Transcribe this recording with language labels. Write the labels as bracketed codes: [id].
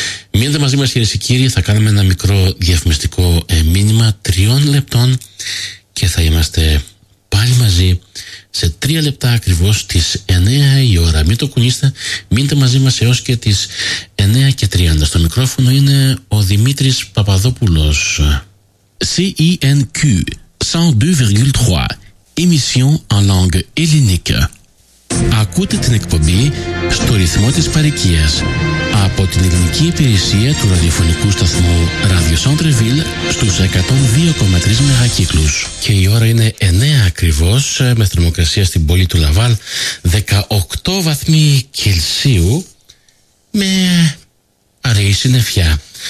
[el] Μείνετε μαζί μας, κυρίες και κύριοι, θα κάνουμε ένα μικρό διαφημιστικό μήνυμα 3 λεπτών και θα είμαστε πάλι μαζί σε 3 λεπτά ακριβώς στις 9 η ώρα. Μην το κουνήστε, μείνετε μαζί μας έως και τις 9:30. Στο μικρόφωνο είναι ο Δημήτρης Παπαδόπουλος. [fr] CINQ 102,3 Émission en langue hellénique. [el] Ακούτε την εκπομπή στο ρυθμό της παροικίας από την ελληνική υπηρεσία του ραδιοφωνικού σταθμού Radio Centreville στους 102,3 μεγακύκλους. Και η ώρα είναι 9 ακριβώς, με θερμοκρασία στην πόλη του Λαβάλ 18 βαθμοί Κελσίου με αραιή συννεφιά.